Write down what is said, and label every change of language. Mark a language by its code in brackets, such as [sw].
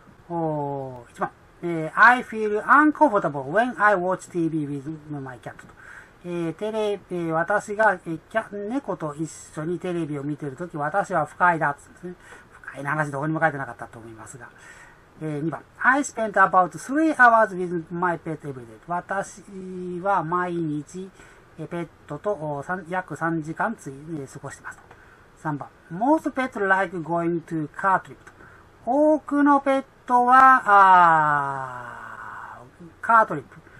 [en] 1番、I feel uncomfortable when I watch TV with my cat と。 [ja] テレビ、私が、猫と一緒にテレビを見ているとき、私は不快だっつって、ね。不快な話、どこにも書いてなかったと思いますが。 2番。 [en] I spent about 3 hours with my pet every day. [ja] 私は毎日、ペットと約3時間過ごしてますと。 [en] 3番。Most pets like going to car trip. [ja] 多くのペットは、カートリップ。